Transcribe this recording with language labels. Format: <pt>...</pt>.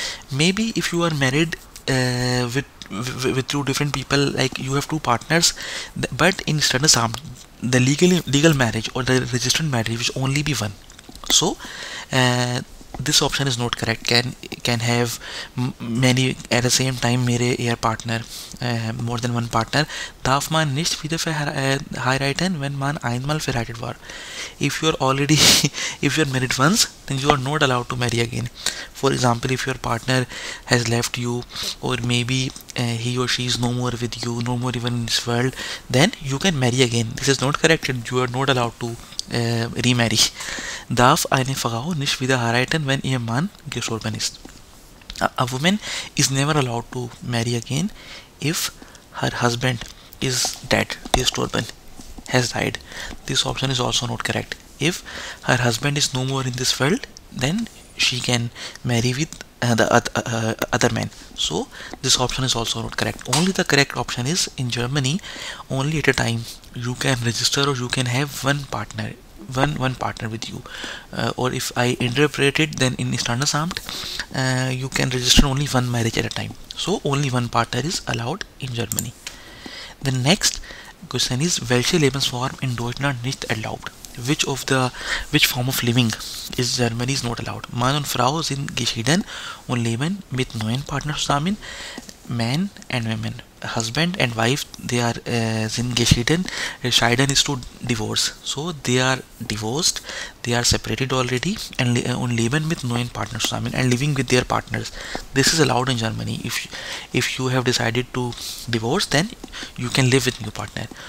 <en>Maybe if you are married with two different people, like you have two partners, but in Standesamt, the legal marriage or the registered marriage will only be one. So this option is not correct. Can have many at the same time, marry your partner, more than one partner.</en> <de>Darf man nicht wieder verheiraten, wenn man einmal verheiratet war.</de> <en>If you are already, if you are married once, then you are not allowed to marry again. For example, if your partner has left you, or maybe he or she is no more with you, no more even in this world, then you can marry again. This is not correct, and you are not allowed to remarry.</en> <de>Darf eine Frau nicht wieder heiraten, wenn ihr Mann gestorben ist.</de> <en>A woman is never allowed to marry again if her husband is dead, gestorben, has died. This option is also not correct. If her husband is no more in this world, then she can marry with other man. So this option is also not correct. Only the correct option is, in Germany, only at a time you can register, or you can have one partner with you. Or if I interpret it, then in Standesamt, you can register only one marriage at a time. So only one partner is allowed in Germany. The next question is,</en> <de>welche Lebensform in Deutschland nicht erlaubt?</de> <en>Which form of living is Germany is not allowed?</en> <de>Mann und Frau sind geschieden und leben mit neuen Partner zusammen.</de> <en>Man and women, husband and wife, they are</en> <de>sind geschieden.</de> <en>Scheiden is to divorce. So they are divorced, they are separated already, and</en> <de>leben mit neuen Partner zusammen,</de> <en>and living with their partners. This is allowed in Germany. If you have decided to divorce, then you can live with new partner.</en>